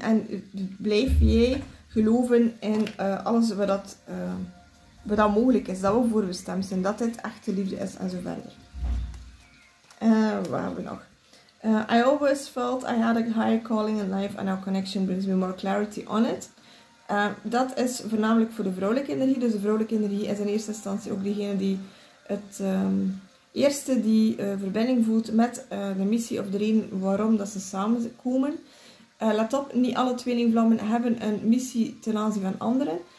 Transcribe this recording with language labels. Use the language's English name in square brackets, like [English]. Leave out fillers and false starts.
[Dutch] En blijf jij geloven in alles wat dat mogelijk is? Dat we voorbestemd zijn, dat dit echte liefde is en zo verder. Wat hebben we nog? [English] I always felt I had a higher calling in life and our connection brings me more clarity on it. [Dutch] Dat is voornamelijk voor de vrouwelijke energie. Dus de vrouwelijke energie is in eerste instantie ook diegene die het eerste die verbinding voelt met de missie of de reden waarom dat ze samenkomen. Let op, niet alle tweelingvlammen hebben een missie ten aanzien van anderen.